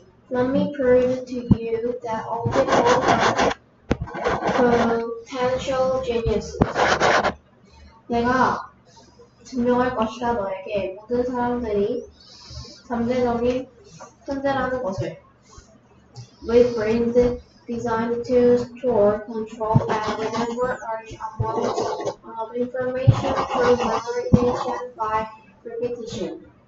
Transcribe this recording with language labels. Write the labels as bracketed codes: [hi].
[en] Let me prove to you that all people are potential geniuses. [ko] 내가 증명할 것이다 너에게 모든 사람들이 잠재적인 천재라는 것을. [en] With brains designed to store, control, and remember a lot of information through memorization by repetition.